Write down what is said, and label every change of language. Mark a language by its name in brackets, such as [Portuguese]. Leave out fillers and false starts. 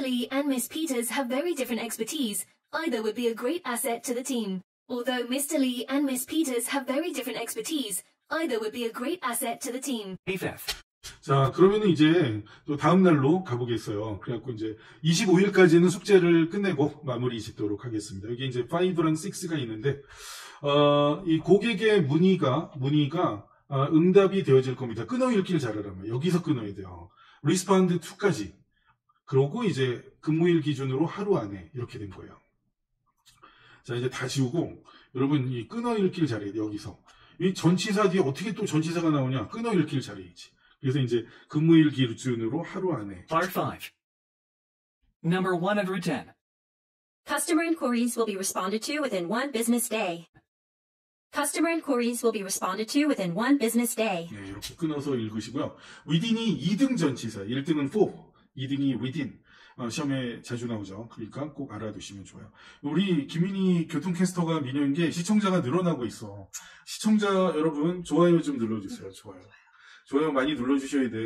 [English] Lee and Miss Peters have very different expertise, either would be a great asset to the team. Although Mr. Lee and Miss Peters have very different expertise, either would be a great asset to the team. AFF. [Korean] 자, 그러면은 이제 또 다음 날로 가보겠어요. 그래갖고 이제 25일까지는 숙제를 끝내고 마무리 짓도록 하겠습니다. 여기 이제 5랑 6가 있는데, 이 고객의 문의가 응답이 되어질 겁니다. 끊어 읽기를 잘하라면 여기서 끊어야 돼요. Respond 2까지. 그러고 이제 근무일 기준으로 하루 안에 이렇게 된 거예요. 자, 이제 다 지우고, 여러분 이 끊어 읽기를 잘해야 돼요. 여기서. 이 전치사 뒤에 어떻게 또 전치사가 나오냐. 끊어 읽기를 잘해야지. 그래서 이제 근무일 기준으로 하루 안에. [English] Part 5. Number 110. Customer inquiries will be responded to within one business day. Customer inquiries will be responded to within one business day. [Korean] 네, 이렇게 끊어서 읽으시고요. Within이 2등 전치사, 1등은 for, 2등이 within. 시험에 자주 나오죠. 그러니까 꼭 알아두시면 좋아요. 우리 김민희 교통캐스터가 미녀인 게 시청자가 늘어나고 있어. 시청자 여러분 좋아요 좀 눌러주세요. 좋아요. 좋아요 많이 눌러주셔야 돼.